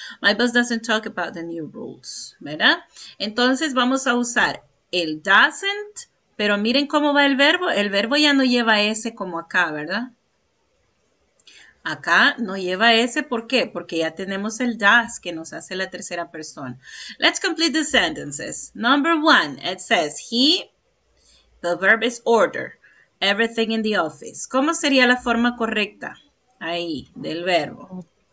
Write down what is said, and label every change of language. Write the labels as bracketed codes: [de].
[en] My boss doesn't talk about the new rules, ¿verdad? [es] Entonces vamos a usar el doesn't, pero miren cómo va el verbo. El verbo ya no lleva S como acá, ¿verdad? Acá no lleva S, ¿por qué? Porque ya tenemos el does que nos hace la tercera persona. [en] Let's complete the sentences. Number one, it says he, the verb is order. Everything in the office. [es] ¿Cómo sería la forma correcta ahí del verbo?